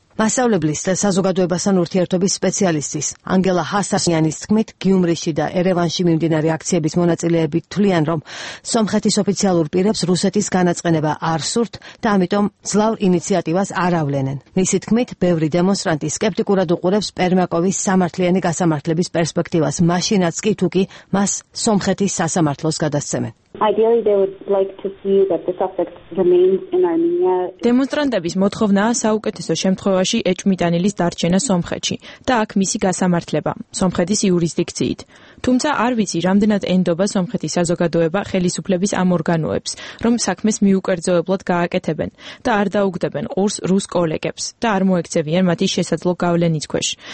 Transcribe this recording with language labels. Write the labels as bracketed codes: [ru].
[ka] მასშტაბებლის და საზოგადოებასთან ურთიერთობის სპეციალისტის ანგელა ჰასასიანის თქმით, გიუმრიში და ერევანში მიმდინარე აქციების მონაწილეები თვლიან, რომ სომხეთის ოფიციალურ პირებს რუსეთის განაცხენება არ სურთ და ამიტომ ძლავ ინიციატივას არ ავლენენ. მისი თქმით, ბევრი დემონსტრანტი სკეპტიკურად უყურებს პერმაკოვის სამართლიანი გასამართლების პერსპექტივას, მაშინაც კი თუკი მას სომხეთის სასამართლოს გადასცემენ. [en] Ideally they would like to see that the suspect remains in Armenia. [ka] დემონსტრანტების მოთხოვნაა საუკეთესო შემთხვევაში ეჭვმიტანილის დარჩენა სომხეთში და აქ მისი გასამართლება სომხეთის იურისდიქციით. თუმცა არ ვიცი, რამდენად ენდობა სომხეთის საზოგადოება ხელისუფლების ამ ორგანოებს, რომ საქმეს მიუკერძოებლად გააკეთებენ და არ დაუგდებენ ყურს რუს კოლეგებს და არ მოექცევიან მათი შესაძლო გავლენის ქვეშ.